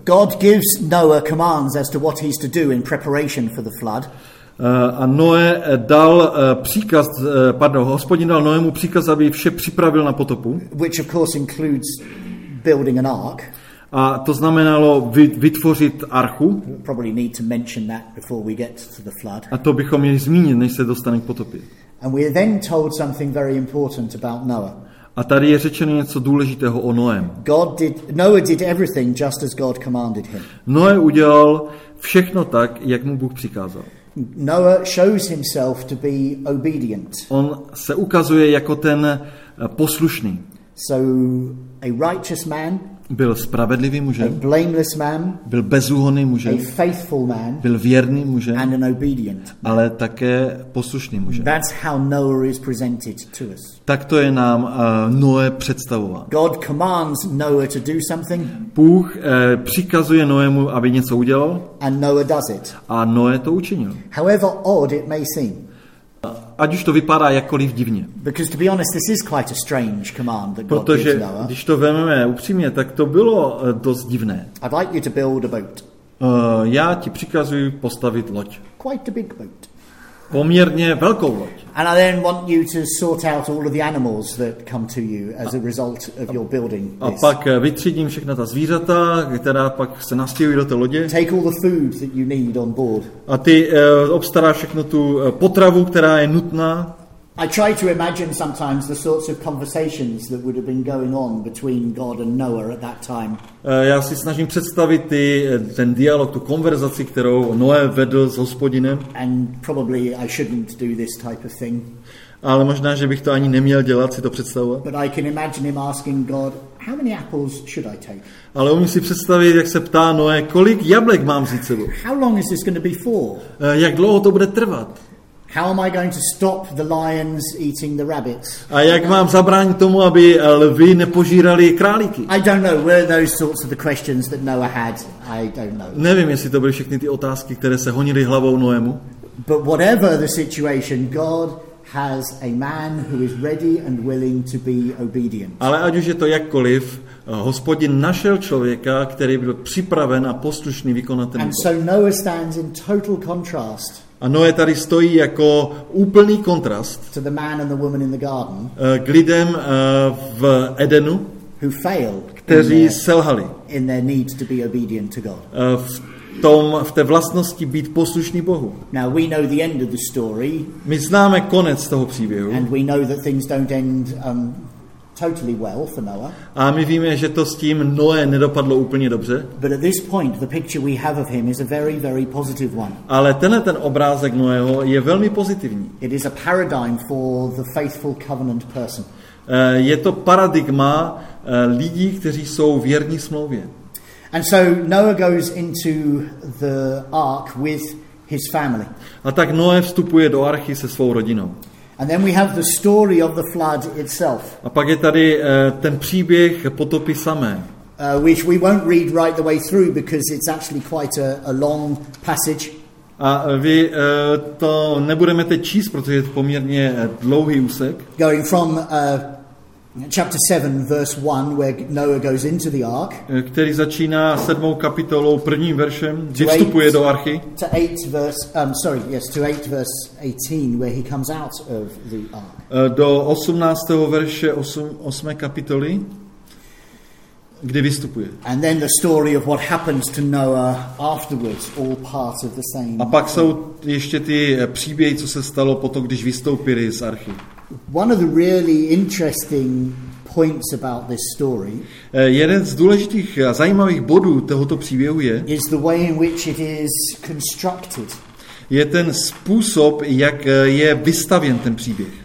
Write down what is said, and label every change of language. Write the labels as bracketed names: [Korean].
[English] God gives Noah commands as to what he's to do in preparation for the flood. [Czech] A Noé dal příkaz, Hospodin dal Noému příkaz, aby vše připravil na potopu. [English] Which of course includes building an ark. [Czech] A to znamenalo vytvořit archu. [English] We'll probably need to mention that before we get to the flood. [Czech] A to bychom měli zmínit, než se dostaneme k potopě. [English] And we are then told something very important about Noah. [Czech] A tady je řečeno něco důležitého o Noém. [English] Noah did everything just as God commanded him. [Czech] Noé udělal všechno tak, jak mu Bůh přikázal. [English] Noah shows himself to be obedient. [Czech] On se ukazuje jako ten poslušný. [English] So a righteous man. [Czech] Byl spravedlivý mužem. [English] A blameless man. [Czech] Byl bezúhonný mužem. [English] A faithful man. [Czech] Byl věrný mužem. [English] And an obedient. [Czech] Ale také poslušný mužem. [English] That's how Noah is presented to us. [Czech] Tak to je nám Noé představován. [English] God commands Noah to do something. [Czech] Bůh přikazuje Noému, aby něco udělal. [English] And Noah does it. [Czech] A Noé to učinil. [English] However odd it may seem. [Czech] Ať už to vypadá jakkoliv divně. [English] Because to be honest, this is quite a strange command that God [Czech] Protože když to vezmeme upřímně, tak to bylo dost divné. [English] I'd like you to build a boat. [Czech] Já ti přikazuji postavit loď. [English] Quite a big boat. [Czech] Poměrně velkou loď. [English] And I then want you to sort out all of the animals that come to you as a result of your building this. [Czech] A pak vytřídím všechna ta zvířata, která pak se nastěhují do té lodě. [English] Take all the food that you need on board. [Czech] A ty obstaráš všechno tu potravu, která je nutná. [English] I try to imagine sometimes the sorts of conversations that would have been going on between God and Noah at that time. [Czech] Já si snažím představit ten dialog, tu konverzaci, kterou Noé vedl s Hospodinem. [English] And probably I shouldn't do this type of thing. [Czech] Ale možná, že bych to ani neměl dělat, si to představovat. [English] But I can imagine him asking God, how many apples should I take? [Czech] Ale umím si představit, jak se ptá Noé, kolik jablek mám vzít sebou? [English] How long is this going to be for? [Czech] Jak dlouho to bude trvat? [English] How am I going to stop the lions eating the rabbits? [Czech] A jak mám zabránit tomu, aby lvi nepožírali králíky? [English] I don't know. Were those sorts of the questions that Noah had? I don't know. [Czech] Nevím, jestli to byly všechny ty otázky, které se honily hlavou Noému. [English] But whatever the situation, God has a man who is ready and willing to be obedient. [Czech] Ale ať už je to jakkoliv, Hospodin našel člověka, který byl připraven a poslušný vykonat ten úkol. [English] And so Noah stands in total contrast. [Czech] A Noé tady stojí jako úplný kontrast [English] to the man and the woman in the garden, [Czech] k lidem v Edenu, [English] who failed, [Czech] kteří selhali [English] in their need to be obedient to God. [Czech] V té vlastnosti být poslušný Bohu. [English] Now we know the end of the story, [Czech] my známe konec toho příběhu. [English] And we know that things don't end totally well for Noah. [Czech] A my víme, že to s tím Noé nedopadlo úplně dobře. [English] But at this point the picture we have of him is a very very positive one. [Czech] Ale tenhle ten obrázek Noého je velmi pozitivní. [English] It is a paradigm for the faithful covenant person. [Czech] Je to paradigma lidí, kteří jsou věrní smlouvě. [English] And so Noah goes into the ark with his family. [Czech] A tak Noé vstupuje do archy se svou rodinou. [English] And then we have the story of the flood itself. [Czech] A pak je tady ten příběh potopy samé. [English] Which we won't read right the way through because it's actually quite a long passage. [Czech] A vy to nebudeme teď číst, protože je to poměrně dlouhý úsek. [English] Going from chapter 7 verse 1 where Noah goes into the ark. [Czech] Který začíná 7. kapitolou prvním veršem, kdy vstupuje do archy. [English] To 8 verse 18 where he comes out of the ark. [Czech] Do 18. verše 8. kapitoly, kdy vystupuje. [English] And then the story of what happens to Noah afterwards, all part of the same. [Czech] A pak jsou ještě ty příběhy, co se stalo potom, když vystoupili z archy. [English] One of the really interesting points about this story. [Czech] Jeden z důležitých a zajímavých bodů tohoto příběhu je. [English] Is the way in which it is constructed. [Czech] Je ten způsob, jak je vystavěn ten příběh.